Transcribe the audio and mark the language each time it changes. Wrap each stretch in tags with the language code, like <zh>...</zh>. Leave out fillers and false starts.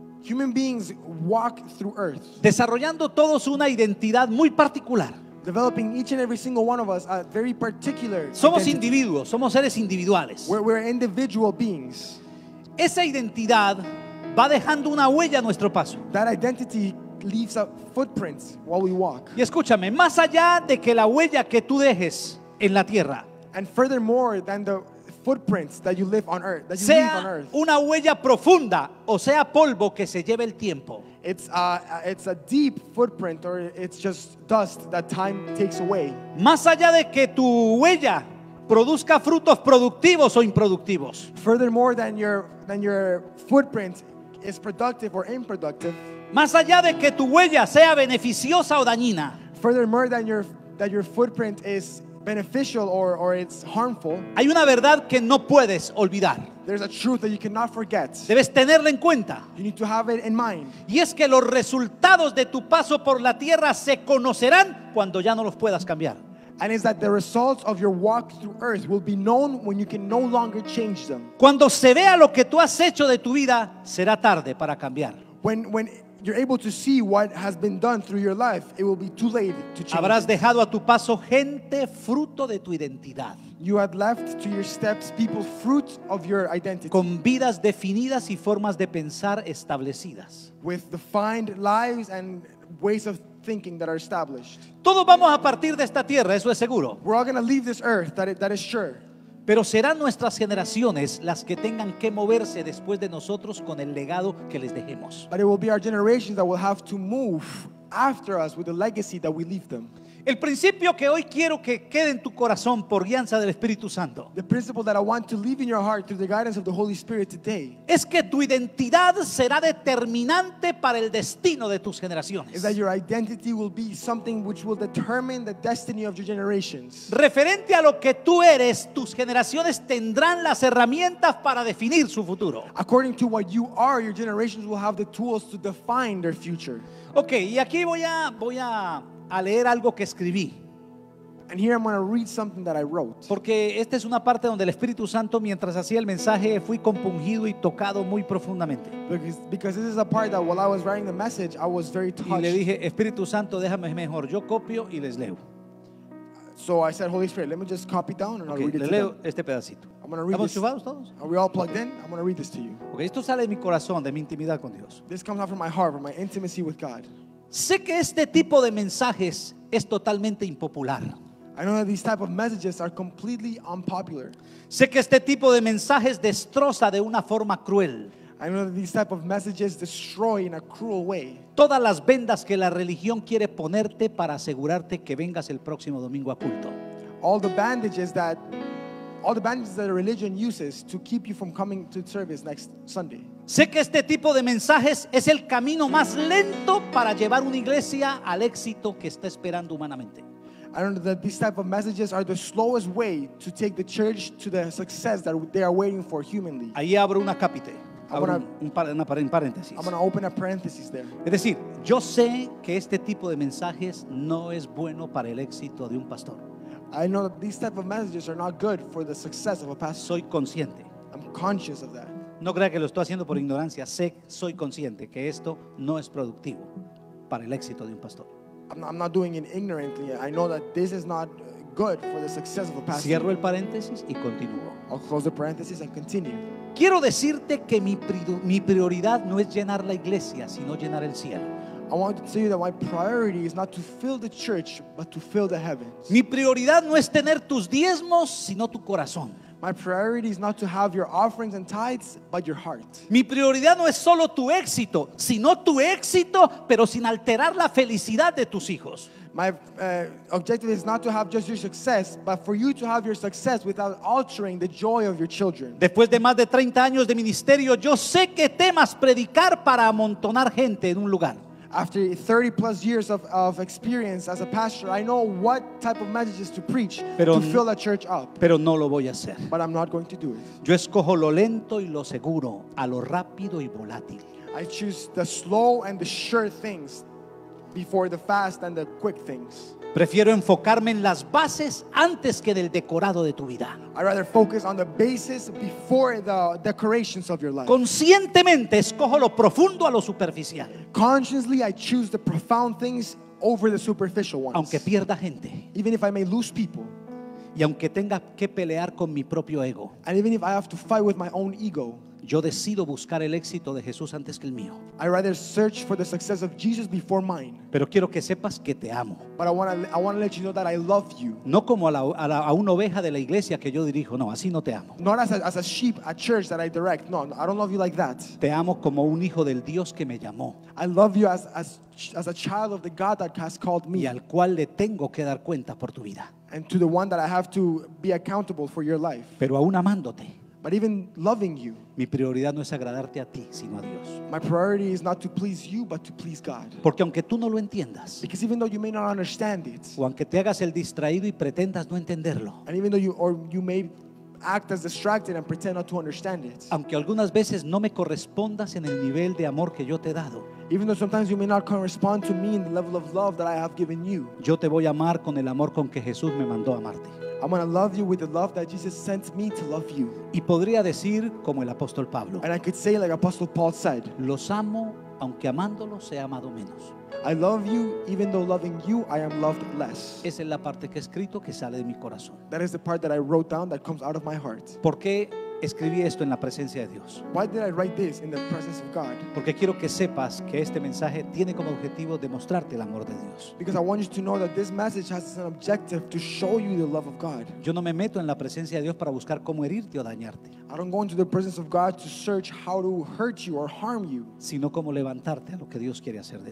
<en>Human beings walk through earth.</en> <es>Desarrollando todos una identidad muy particular.</es> <en>Developing each and every single one of us a very particular.</en> <es>Somos individuos, somos seres individuales.</es> <en>We're individual beings.</en> <es>Esa identidad va dejando una huella a nuestro paso.</es> <en>That identity leaves a footprint while we walk.</en> <es>Y escúchame, más allá de que la huella que tú dejes en la tierra.</es> <en>And furthermore than the footprints that you leave on earth.</en> <es>Sea una huella profunda o sea polvo que se lleve el tiempo.</es> <en>It's a deep footprint or it's just dust that time takes away.</en> <es>Más allá de que tu huella produzca frutos productivos o improductivos.</es> <en>Furthermore than your footprint is productive or improductive.</en> <es>Más allá de que tu huella sea beneficiosa o dañina.</es> <en>Furthermore than your footprint is beneficial or it's harmful.</en> <es>Hay una verdad que no puedes olvidar.</es> <en>There's a truth that you cannot forget.</en> <es>Debes tenerla en cuenta.</es> <en>You need to have it in mind.</en> <es>Y es que los resultados de tu paso por la tierra se conocerán cuando ya no los puedas cambiar.</es> <en>And is that the results of your walk through earth will be known when you can no longer change them.</en> <es>Cuando se vea lo que tú has hecho de tu vida, será tarde para cambiar.</es> <en>When you're able to see what has been done through your life, it will be too late to change.</en> <es>Habrás dejado a tu paso gente fruto de tu identidad.</es> <en>You had left to your steps people fruit of your identity.</en> <es>Con vidas definidas y formas de pensar establecidas.</es> <en>With defined lives and ways of thinking that are established.</en> <es>Todos vamos a partir de esta tierra, eso es seguro.</es> <en>We're all going to leave this earth, that is sure.</en> <es>Pero serán nuestras generaciones las que tengan que moverse después de nosotros con el legado que les dejemos.</es> <en>But it will be our generations that will have to move after us with the legacy that we leave them.</en> <es>El principio que hoy quiero que quede en tu corazón por guianza del Espíritu Santo.</es> <en>The principle that I want to leave in your heart through the guidance of the Holy Spirit today.</en> <es>Es que tu identidad será determinante para el destino de tus generaciones.</es> <en>Is that your identity will be something which will determine the destiny of your generations.</en> <es>Referente a lo que tú eres, tus generaciones tendrán las herramientas para definir su futuro.</es> <en>According to what you are, your generations will have the tools to define their future.</en> <es>Okay, y aquí voy a leer algo que escribí.</es> <en>And here I'm going to read something that I wrote.</en> <es>Porque esta es una parte donde el Espíritu Santo, mientras hacía el mensaje, fui compungido y tocado muy profundamente.</es> <en>Because this is a part that while I was writing the message, I was very touched.</en> <es>Y le dije, Espíritu Santo, déjame mejor. Yo copio y les leo.</es> <en>So I said, Holy Spirit, let me just copy down and okay, I'll read it.</en> <es>Le leo</es> <en>to them.</en> <es>Este pedacito.</es> <en>I'm going to read.</en> <es>¿Estamos</es> <en>this.</en> <es>Chupados todos?</es> <en>Are we all plugged in? I'm going to read this to you.</en> <es>Okay, esto sale de mi corazón, de mi intimidad con Dios.</es> <en>This comes out from my heart, from my intimacy with God.</en> <es>Sé que este tipo de mensajes es totalmente impopular.</es> <en>I know that these type of messages are completely unpopular.</en> <es>Sé que este tipo de mensajes destroza de una forma cruel.</es> <en>I know that these type of messages destroy in a cruel way.</en> <es>Todas las vendas que la religión quiere ponerte para asegurarte que vengas el próximo domingo a culto.</es> <en>All the bandages that the religion uses to keep you from coming to service next Sunday.</en> <es>Sé que este tipo de mensajes es el camino más lento para llevar una iglesia al éxito que está esperando humanamente.</es> <en>I know that these type of messages are the slowest way to take the church to the success that they are waiting for humanly.</en> <es>Ahí abro una capite. Abro un paréntesis.</es> <en>I'm going to open a parenthesis there.</en> <es>Es decir, yo sé que este tipo de mensajes no es bueno para el éxito de un pastor.</es> <en>I know that these type of messages are not good for the success of a pastor.</en> <es>Soy consciente.</es> <en>I'm conscious of that.</en> <es>No crea que lo estoy haciendo por ignorancia. Sé, soy consciente que esto no es productivo para el éxito de un pastor.</es> <en>I'm not doing it ignorantly. I know that this is not good for the success of a pastor.</en> <es>Cierro el paréntesis y continúo.</es> <en>I'll close the parenthesis and continue.</en> <es>Quiero decirte que mi prioridad no es llenar la iglesia, sino llenar el cielo.</es> <en>I want to tell you that my priority is not to fill the church, but to fill the heavens.</en> <es>Mi prioridad no es tener tus diezmos, sino tu corazón.</es> <en>My priority is not to have your offerings and tithes, but your heart.</en> <es>Mi prioridad no es solo tu éxito, sino tu éxito, pero sin alterar la felicidad de tus hijos.</es> <en>My objective is not to have just your success, but for you to have your success without altering the joy of your children.</en> <es>Después de más de 30 años de ministerio, yo sé qué temas predicar para amontonar gente en un lugar.</es> <en>After 30 plus years of experience as a pastor, I know what type of messages to preach to fill a church up.</en> <es>Pero no lo voy a hacer.</es> <en>But I'm not going to do it.</en> <es>Yo escojo lo lento y lo seguro, a lo rápido y volátil.</es> <en>I choose the slow and the sure things before the fast and the quick things.</en> <es>Prefiero enfocarme en las bases antes que del decorado de tu vida.</es> <en>I'd rather focus on the basis before the decorations of your life.</en> <es>Conscientemente escojo lo profundo a lo superficial.</es> <en>Consciously I choose the profound things over the superficial ones.</en> <es>Aunque pierda gente.</es> <en>Even if I may lose people.</en> <es>Y aunque tenga que pelear con mi propio ego.</es> <en>And even if I have to fight with my own ego.</en> <es>Yo decido buscar el éxito de Jesús antes que el mío.</es> <en>I'd rather search for the success of Jesus before mine.</en> <es>Pero quiero que sepas que te amo.</es> <en>But I want to let you know that I love you.</en> <es>No como a una oveja de la iglesia que yo dirijo. No, así no te amo.</es> <en>Not as a sheep at church that I direct. No, I don't love you like that.</en> <es>Te amo como un hijo del Dios que me llamó.</es> <en>I love you as a child of the God that has called me.</en> <es>Y al cual le tengo que dar cuenta por tu vida.</es> <en>And to the one that I have to be accountable for your life.</en> <es>Pero aún amándote.</es> <en>But even loving you.</en> <es>Mi prioridad no es agradarte a ti, sino a Dios.</es> <en>My priority is not to please you, but to please God.</en> <es>Porque aunque tú no lo entiendas.</es> <en>Because even though you may not understand it.</en> <es>O aunque te hagas el distraído y pretendas no entenderlo.</es> <en>And even though you may act as distracted and pretend not to understand it.</en> <es>Aunque algunas veces no me correspondas en el nivel de amor que yo te he dado.</es> <en>Even though sometimes you may not correspond to me in the level of love that I have given you.</en> <es>Yo te voy a amar con el amor con que Jesús me mandó a amarte.</es> <en>I'm going to love you with the love that Jesus sent me to love you.</en> <es>Y podría decir como el apóstol Pablo.</es> <en>And I could say like Apostle Paul said.</en> <es>Los amo aunque amándolos he amado menos.</es> <en>I love you even though loving you I am loved less.</en> <es>Esa es la parte que he escrito que sale de mi corazón.</es> <en>That is the part that I wrote down that comes out of my heart.</en> <es>¿Por qué escribí esto en la presencia de Dios?</es> <en>Why did I write this in the presence of God?</en> <es>Porque quiero que sepas que este mensaje tiene como objetivo demostrarte el amor de Dios.</es> <en>Because I want you to know that this message has an objective to show you the love of God.</en> <es>Yo no me meto en la presencia de Dios para buscar cómo herirte o dañarte.</es> <en>I don't go into the presence of God to search how to hurt you or harm you.</en> <es>Sino cómo levantarte a lo que Dios quiere hacer de ti.</es>